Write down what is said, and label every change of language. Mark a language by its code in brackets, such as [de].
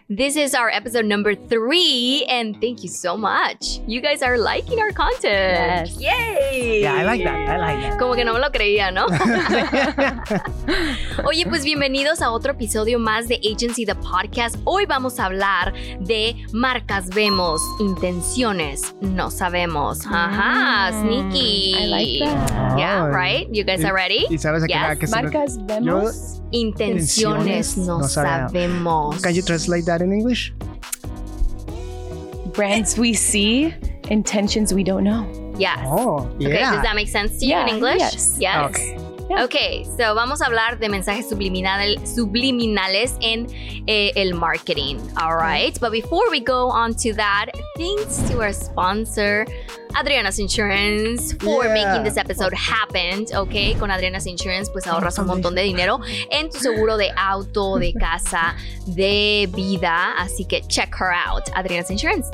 [en] This is our episode number 3, and thank you so much. You guys are liking our content. Yay! Yeah, I like that. [es] Como que no me lo creía, ¿no? Oye, pues bienvenidos a otro episodio más de Agnc the Podcast. Hoy vamos a hablar de marcas vemos, intenciones no sabemos. [en] Ajá, sneaky. I like that. Yeah, right? You guys are ready? [es] ¿Y sabes [en] yes? [es] Que marcas vemos, intenciones no sabemos. [en] Can you translate that in English? Brands we see, intentions we don't know. Yes. Oh, yeah. Okay, does that make sense to you in English? Yes. Yes. Okay, so [es] vamos a hablar de mensajes subliminales en el marketing. [en] All right. But before we go on to that, thanks to our sponsor, Adriana's Insurance, for making this episode happen. [es] Okay, con Adriana's Insurance, pues ahorras un montón de dinero en tu seguro de auto, de casa, de vida. Así que [en] check her out, Adriana's Insurance.